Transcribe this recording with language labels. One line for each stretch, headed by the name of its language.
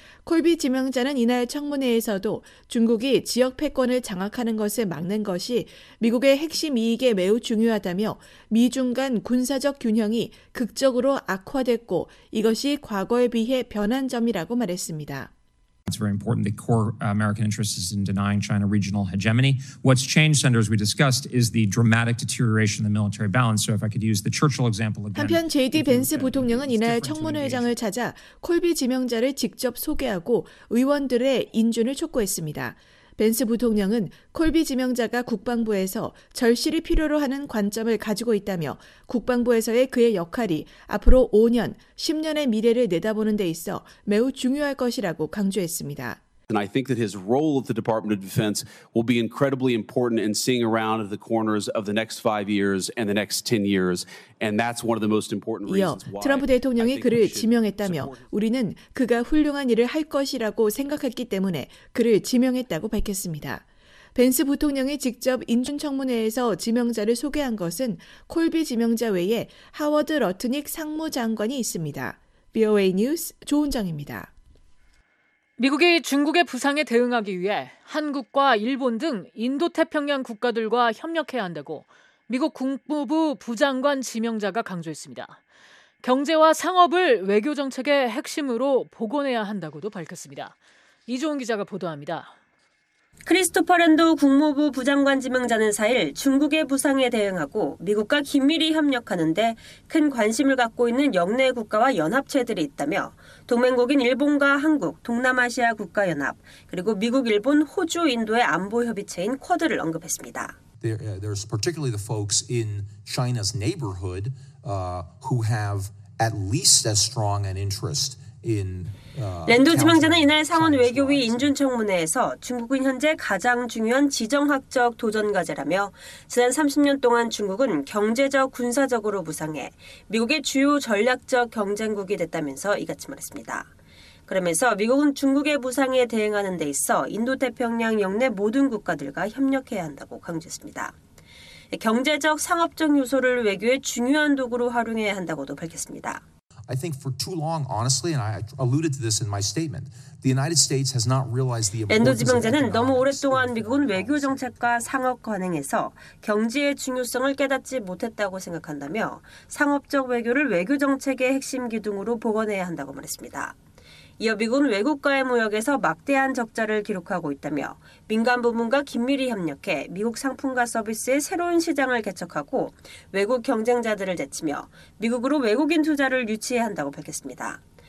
Korean: 콜비 지명자는 이날 청문회에서도 중국이 지역 패권을 장악하는 것을 막는 것이 미국의 핵심 이익에 매우 중요하다며 미중 간 군사적 균형이 극적으로 악화됐고 이것이 과거에 비해 변한 점이라고 말했습니다.
English: It's very important. The core American interest is in denying China regional hegemony. What's changed, Senator, as we discussed, is the dramatic deterioration of the military balance. So if I could use the Churchill example again.
Korean: 한편 JD 벤스 부통령은 이날 청문회장을 찾아 콜비 지명자를 직접 소개하고 의원들의 인준을 촉구했습니다. 벤스 부통령은 콜비 지명자가 국방부에서 절실히 필요로 하는 관점을 가지고 있다며 국방부에서의 그의 역할이 앞으로 5년, 10년의 미래를 내다보는 데 있어 매우 중요할 것이라고 강조했습니다.
English: And I think that his role at the Department of Defense will be incredibly important in seeing around the corners of the next 5 years and the next 10 years. And that's one of the most important reasons why.
Korean: 이어 트럼프 대통령이 그를 지명했다며 우리는 그가 훌륭한 일을 할 것이라고 생각했기 때문에 그를 지명했다고 밝혔습니다. 벤스 부통령이 직접 인준청문회에서 지명자를 소개한 것은 콜비 지명자 외에 하워드 러트닉 상무장관이 있습니다. BOA 뉴스 조은정입니다. 미국이 중국의 부상에 대응하기 위해 한국과 일본 등 인도태평양 국가들과 협력해야 한다고 미국 국무부 부장관 지명자가 강조했습니다. 경제와 상업을 외교정책의 핵심으로 복원해야 한다고도 밝혔습니다. 이종훈 기자가 보도합니다. 크리스토퍼 랜도 국무부 부장관 지명자는 4일 중국의 부상에 대응하고 미국과 긴밀히 협력하는 데 큰 관심을 갖고 있는 역내 국가와 연합체들이 있다며 동맹국인 일본과 한국, 동남아시아 국가연합, 그리고 미국, 일본, 호주, 인도의 안보협의체인 쿼드를 언급했습니다.
English: There's particularly the folks in China's neighborhood who have at least as strong an interest in
Korean: 랜도 지명자는 이날 상원 외교위 인준 청문회에서 중국은 현재 가장 중요한 지정학적 도전 과제라며 지난 30년 동안 중국은 경제적 군사적으로 부상해 미국의 주요 전략적 경쟁국이 됐다면서 이같이 말했습니다. 그러면서 미국은 중국의 부상에 대응하는 데 있어 인도 태평양 영내 모든 국가들과 협력해야 한다고 강조했습니다. 경제적 상업적 요소를 외교의 중요한 도구로 활용해야 한다고도 밝혔습니다.
English: I think for too long, honestly, and I alluded to this in my statement, the United States has not realized the importance of economics.
Korean: 엔도 지명자는 너무 오랫동안 미국은 외교 정책과 상업 관행에서 경제의 중요성을 깨닫지 못했다고 생각한다며 상업적 외교를 외교 정책의 핵심 기둥으로 복원해야 한다고 말했습니다. 이어 미국은 외국과의 무역에서 막대한 적자를 기록하고 있다며 민간 부문과 긴밀히 협력해 미국 상품과 서비스의 새로운 시장을 개척하고 외국 경쟁자들을 제치며 미국으로 외국인 투자를 유치해야 한다고 밝혔습니다.